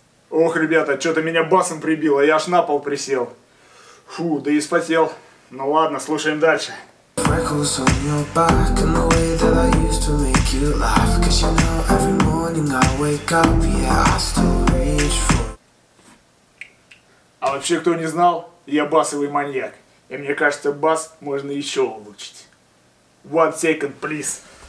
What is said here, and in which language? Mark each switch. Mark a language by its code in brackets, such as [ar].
[ru] Ох, ребята, что-то меня басом прибило, я аж на пол присел. Фу, да и вспотел. Ну ладно, слушаем дальше. [en] Freckles on your back and the way that I used to make you laugh. Cause you know every morning I wake up, yeah, I still reach for. [ru] А вообще, кто не знал, я басовый маньяк. И мне кажется, бас можно еще улучшить. [en] One second, please.